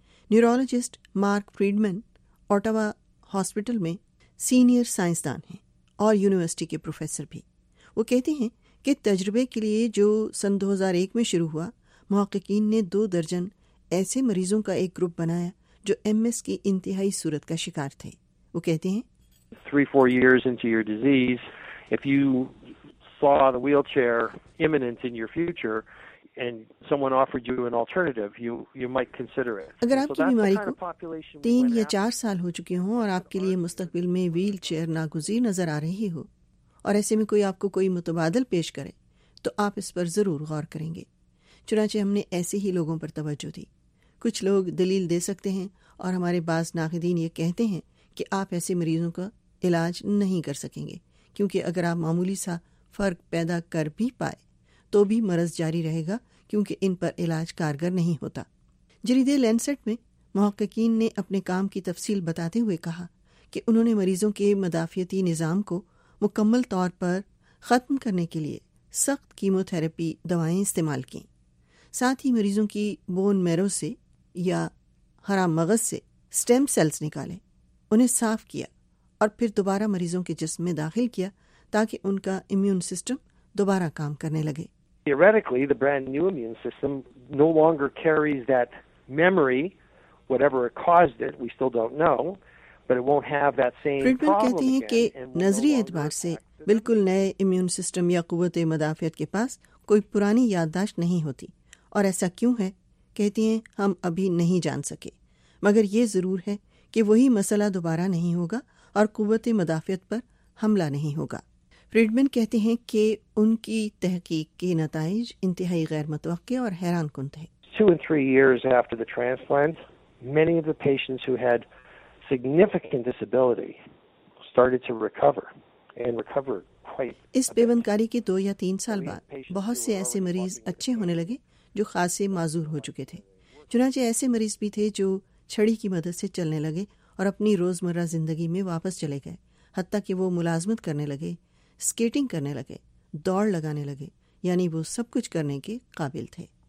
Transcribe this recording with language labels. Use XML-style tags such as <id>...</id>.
<ur>Neurologist mark فریڈمن Ottawa hospital میں senior سائنسدان ہیں اور یونیورسٹی کے پروفیسر بھی. وہ کہتے ہیں کہ تجربے کے لیے جو سن 2001 میں شروع ہوا، محققین نے 2 درجن ایسے مریضوں کا ایک گروپ بنایا جو ایم ایس کی انتہائی صورت کا شکار تھے۔ وہ کہتے ہیں،</ur> <en>3-4 years into your disease, if you saw the wheelchair imminent in your future and someone offered you an alternative, you might consider it.</en> <ur>اگر آپ کی بیماری کو 3 یا 4 سال ہو چکے ہوں اور آپ کے لیے مستقبل میں ویل چیئر ناگزیر نظر آ رہی ہو، اور ایسے میں کوئی آپ کو کوئی متبادل پیش کرے، تو آپ اس پر ضرور غور کریں گے۔ چنانچہ ہم نے ایسے ہی لوگوں پر توجہ دی۔ کچھ لوگ دلیل دے سکتے ہیں اور ہمارے بعض ناقدین یہ کہتے ہیں کہ آپ ایسے مریضوں کا علاج نہیں کر سکیں گے، کیونکہ اگر آپ معمولی سا فرق پیدا کر بھی پائے تو بھی مرض جاری رہے گا، کیونکہ ان پر علاج کارگر نہیں ہوتا۔ جریدہ لینسٹ میں محققین نے اپنے کام کی تفصیل بتاتے ہوئے کہا کہ انہوں نے مریضوں کے مدافعتی نظام کو مکمل طور پر ختم کرنے کے لیے سخت کیمو تھراپی دوائیں استعمال کیں، ساتھ ہی مریضوں کی بون میرو سے یا ہرا مغز سے سٹیم سیلز نکالے، انہیں صاف کیا اور پھر دوبارہ مریضوں کے جسم میں داخل کیا تاکہ ان کا امیون سسٹم دوبارہ کام کرنے لگے۔</ur> <en>Theoretically, the brand new immune system no longer carries that memory, whatever it caused it, we still don't know, but it won't have that same problem again.</en> <ur>کہتے ہیں کہ نظری اعتبار سے بالکل نئے امیون سسٹم یا قوت مدافعت کے پاس کوئی پرانی یادداشت نہیں ہوتی، اور ایسا کیوں ہے؟ کہتی ہیں، ہم ابھی نہیں جان سکے، مگر یہ ضرور ہے کہ وہی مسئلہ دوبارہ نہیں ہوگا اور قوت مدافعت پر حملہ نہیں ہوگا۔ فریڈمن کہتے ہیں کہ ان کی تحقیق کے نتائج انتہائی غیر متوقع اور حیران کن تھے۔</ur> <en>2 and 3 years after the transplant, many of the patients who had significant disability started to recover and recover quite.</en> <ur>اس پیوند کاری کے 2 یا 3 سال بعد بہت سے ایسے مریض اچھے ہونے لگے جو خاصے معذور ہو چکے تھے۔ چنانچہ ایسے مریض بھی تھے جو چھڑی کی مدد سے چلنے لگے اور اپنی روزمرہ زندگی میں واپس چلے گئے، حتیٰ کہ وہ ملازمت کرنے لگے، سکیٹنگ کرنے لگے، دوڑ لگانے لگے، یعنی وہ سب کچھ کرنے کے قابل تھے۔</ur>